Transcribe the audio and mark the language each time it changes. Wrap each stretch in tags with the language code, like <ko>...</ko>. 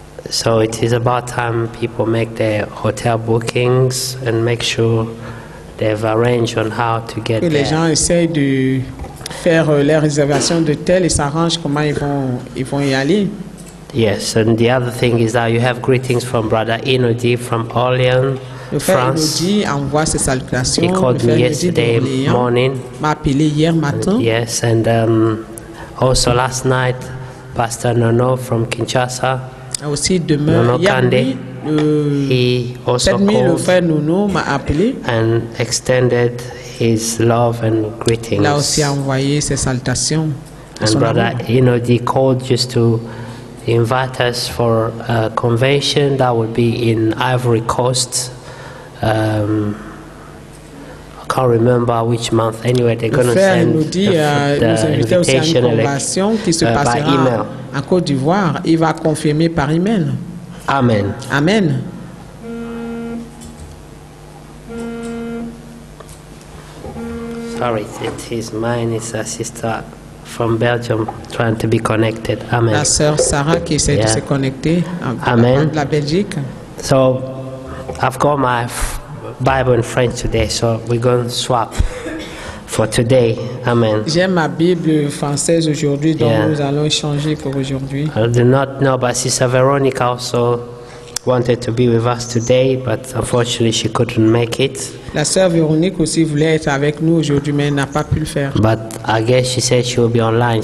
<en>So it is about time people make their hotel bookings and make sure they've arranged on how to get there.</en> <fr>Les gens essayent de faire leurs réservations d'hôtel et s'arrangent comment ils vont y aller.</fr> <en>Yes, and the other thing is that you have greetings from Brother Inodi from Orléans, France.</en> <fr>Inodi envoie ses salutations.</fr> <en>He called me yesterday morning.</en> <fr>M'a appelé hier matin.</fr> <en>Yes, and also last night, Pastor Nono from Kinshasa.</en> <fr>Aussi demain, Nono Kande.</fr> <en>He also called.</en> <fr>Le frère Nono m'a appelé.</fr> <en>And extended his love and greetings.</en> <fr>Là aussi envoyé ses salutations.</fr> <en>And Brother Inodi called just to invite us for a convention that would be in Ivory Coast. I can't remember which month. Anyway, they're going to send the invitation by email.</en> <fr>En Côte d'Ivoire, il va confirmer par email.</fr> <en>Amen. Amen. Sorry, it is mine. It's a sister from Belgium trying to be connected. Amen.</en> <fr>La sœur Sarah qui essaie de se connecter</fr> <en>Amen.</en> <fr>De la Belgique.</fr> <en>So I've got my Bible in French today, so we're going to swap for today. Amen.</en> <fr>J'ai ma Bible française aujourd'hui, donc nous allons échanger pour aujourd'hui.</fr> <en>I do not know, but Sister Veronica also wanted to be with us today, but unfortunately she couldn't make it.</en> <fr>La sœur Véronique aussi voulait être avec nous aujourd'hui, mais n'a pas pu le faire.</fr> <en>But I guess she said she will be online.</en>